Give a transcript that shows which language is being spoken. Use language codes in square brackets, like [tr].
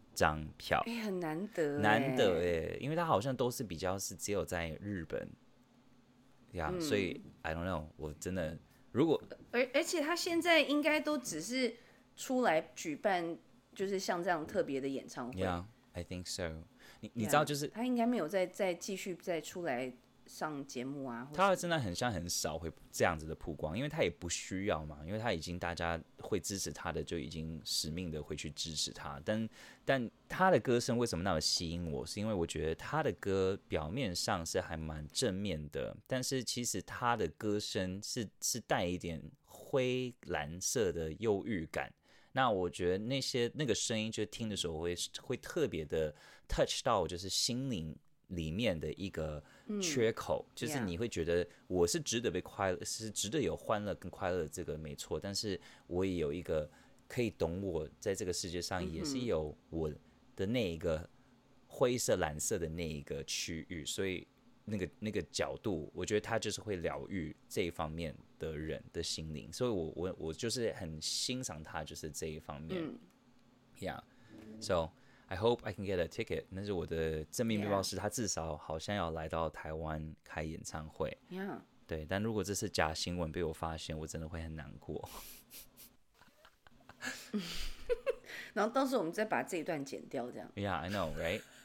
[zh] 张票，哎、欸，很难得、欸，难得哎、欸，因为他好像都是比较是只有在日本，呀、yeah, 嗯，所以 [en] I don't know， [zh] 我真的如果而且他现在应该都只是出来举办，就是像这样特别的演唱会。 [en] Yeah, I think so [zh] 你知道就是 [en] yeah, [zh] 他应该没有再继续再出来上节目啊，他真的很像很少会这样子的曝光，因为他也不需要嘛，因为他已经大家会支持他的就已经使命的会去支持他。但他的歌声为什么那么吸引我，是因为我觉得他的歌表面上是还蛮正面的，但是其实他的歌声是带一点灰蓝色的忧郁感，那我觉得那个声音就听的时候会特别的 touch 到就是心灵里面的一个缺口、嗯、就是你会觉得我是值得被快乐、yeah. 是值得有欢乐跟快乐的这个没错，但是我也有一个可以懂我在这个世界上也是有我的那一个灰色蓝色的那一个区域，所以那个角度我觉得它就是会疗愈这一方面的人的心灵，所以我就是很欣赏它就是这一方面、嗯、 [en] yeah soI hope I can get a ticket. [zh] 那是我的正面面包师， [en] yeah. [zh] 他至少好像要来到台湾开演唱会。 [en] Yeah. [zh] 对，但如果这是假新闻被我发现，我真的会很难过。然后到时候我们再把这一段剪掉，这样。 [en] Yeah, I know, right?